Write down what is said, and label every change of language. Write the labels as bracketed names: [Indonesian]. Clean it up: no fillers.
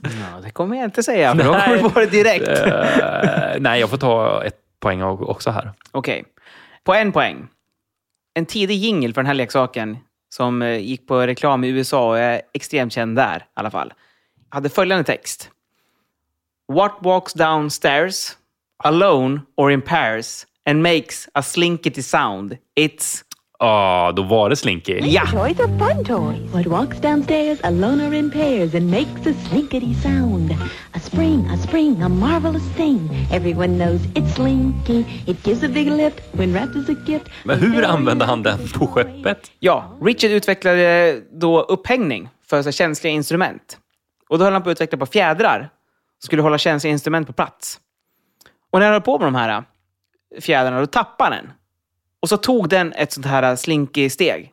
[Swedish] Ja, det kommer jag inte säga. Men då kommer du på det direkt. Nej, jag får ta 1 poäng också här. Okej. Okay. På 1 poäng. En tidig jingle för den här leksaken som gick på reklam i USA och är extremt känd där i alla fall. Hade följande text. [English] What walks downstairs, alone or in pairs, and makes a slinkety sound? It's [Swedish] Ah, då var det Slinky. [English] Ja. Toys are fun toys. What walks downstairs, a loner in pairs, and makes a slinkity sound. A spring, a marvelous thing. Everyone knows it's Slinky. It gives a big lift when wrapped as a gift. [Swedish] Men hur använde han den på skeppet? Ja, Richard utvecklade då upphängning för så känsliga instrument. Och då höll han på att utveckla på fjädrar som skulle hålla känsliga instrument på plats. Och när han höll på med de här fjädrarna, då tappade han den. Och så tog den ett sånt här slinky steg.